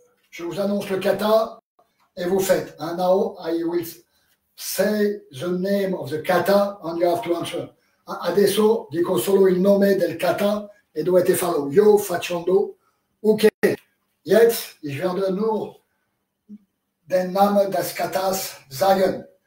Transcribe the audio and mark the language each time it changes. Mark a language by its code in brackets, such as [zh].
[fr] Je vous annonce le kata et vous faites. [en] And now I will say the name of the kata and you have to answer. [it] Adesso dico solo il nome del kata e dovete farlo. Yo facendo. Ok. [de] Jetzt, ich werde nur den Namen des Katas sagen.